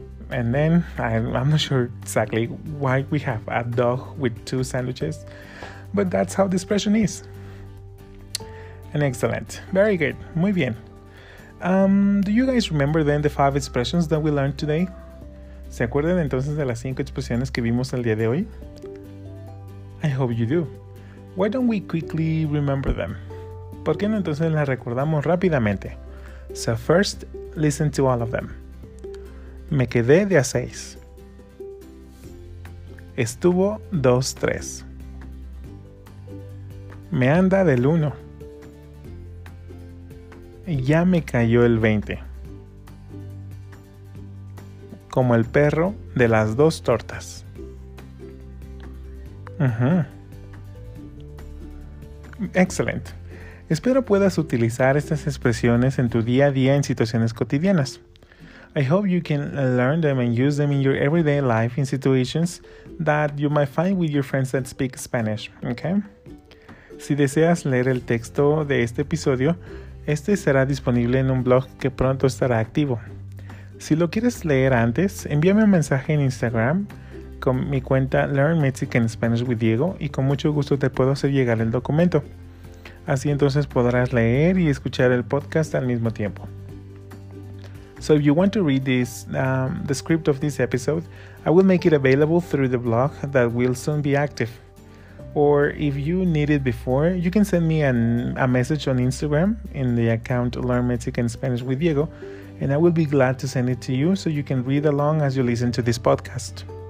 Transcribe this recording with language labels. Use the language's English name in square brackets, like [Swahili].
[English] And then, I'm not sure exactly why we have a dog with two sandwiches, but that's how the expression is. And excellent. Very good. [Spanish] Muy bien. [English] Do you guys remember then the five expressions that we learned today? [Spanish] ¿Se acuerdan entonces de las cinco expresiones que vimos el día de hoy? [English] I hope you do. Why don't we quickly remember them? [Spanish] ¿Por qué no entonces las recordamos rápidamente? [English] So first, listen to all of them. [Spanish] Me quedé de a seis. Estuvo 2-3. Me anda del 1. Ya me cayó el 20. Como el perro de las dos tortas. [English] Excellent. [Spanish] Espero puedas utilizar estas expresiones en tu día a día en situaciones cotidianas. [English] I hope you can learn them and use them in your everyday life in situations that you might find with your friends that speak Spanish, okay? [Spanish] Si deseas leer el texto de este episodio, este será disponible en un blog que pronto estará activo. Si lo quieres leer antes, envíame un mensaje en Instagram con mi cuenta Learn Mexican Spanish with Diego y con mucho gusto te puedo hacer llegar el documento. Así entonces podrás leer y escuchar el podcast al mismo tiempo. [English] So if you want to read this, the script of this episode, I will make it available through the blog that will soon be active. Or if you need it before, you can send me a message on Instagram in the account Learn Mexican Spanish with Diego, and I will be glad to send it to you so you can read along as you listen to this podcast.